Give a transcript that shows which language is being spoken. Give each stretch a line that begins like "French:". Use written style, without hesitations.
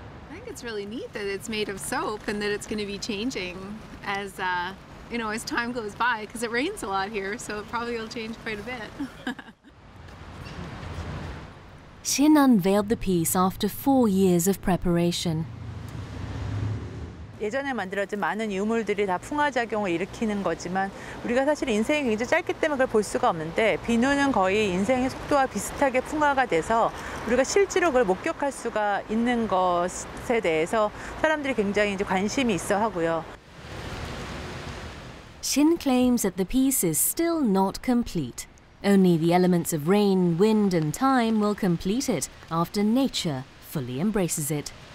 English: I think it's really neat that it's made of soap and that it's going to be changing as you know, as time goes by, because it rains a lot here, so it probably will change quite a bit. Shin unveiled the piece after 4 years of preparation.
Korean: 예전에 만들었던 많은 유물들이 다 풍화작용을 일으키는 거지만 우리가 사실 인생이 굉장히 짧기 때문에 그걸 볼 수가 없는데 비누는 거의 인생의 속도와 비슷하게 풍화가 돼서 우리가 실제로 그걸 목격할 수가 있는 것에 대해서 사람들이 굉장히 이제 관심이 있어 하고요.
English: Shin claims that the piece is still not complete. Only the elements of rain, wind, and time will complete it after nature fully embraces it.